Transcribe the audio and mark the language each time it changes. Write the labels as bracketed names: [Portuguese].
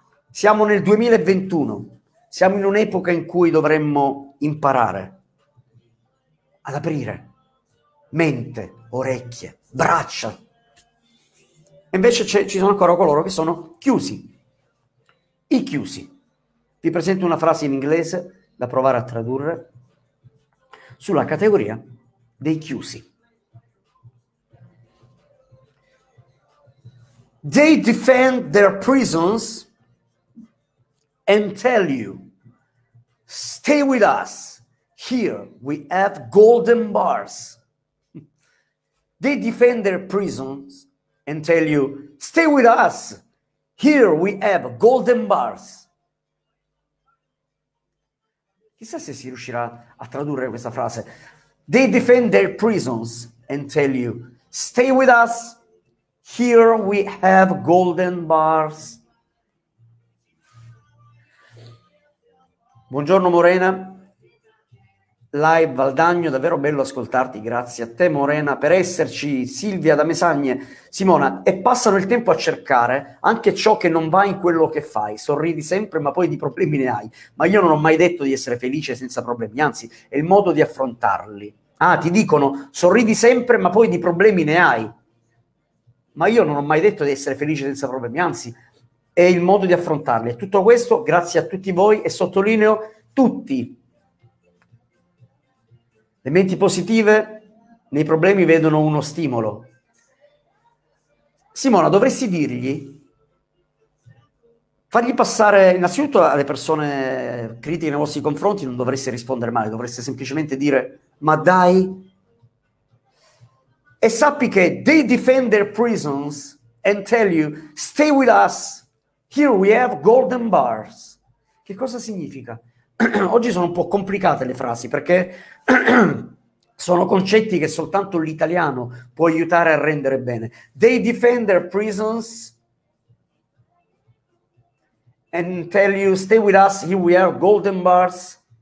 [Italian] Siamo nel 2021, siamo in un'epoca in cui dovremmo imparare ad aprire mente, orecchie, braccia, Invece ci sono ancora coloro che sono chiusi. I chiusi. Vi presento una frase in inglese da provare a tradurre sulla categoria dei chiusi. [English] They defend their prisons and tell you, stay with us, here we have golden bars. They defend their prisons and tell you, stay with us, here we have golden bars. [Italian] Chissà se si riuscirà a tradurre questa frase. [English] They defend their prisons and tell you, stay with us, here we have golden bars. [Italian] Buongiorno Morena, live Valdagno, davvero bello ascoltarti, grazie a te Morena per esserci. Silvia da Mesagne, Simona, e passano il tempo a cercare anche ciò che non va in quello che fai, sorridi sempre ma poi di problemi ne hai, ma io non ho mai detto di essere felice senza problemi, anzi è il modo di affrontarli. Ah, ti dicono sorridi sempre ma poi di problemi ne hai, ma io non ho mai detto di essere felice senza problemi, anzi è il modo di affrontarli. E tutto questo grazie a tutti voi, e sottolineo tutti. Le menti positive nei problemi vedono uno stimolo. Simona, dovresti dirgli, fargli passare, innanzitutto alle persone critiche nei vostri confronti, non dovresti rispondere male, dovresti semplicemente dire, ma dai. E sappi che [English] they defend their prisons and tell you, stay with us, here we have golden bars. [Italian] Che cosa significa? Oggi sono un po' complicate le frasi, perché sono concetti che soltanto l'italiano può aiutare a rendere bene. [English] They defend their prisons and tell you, stay with us, here we have golden bars.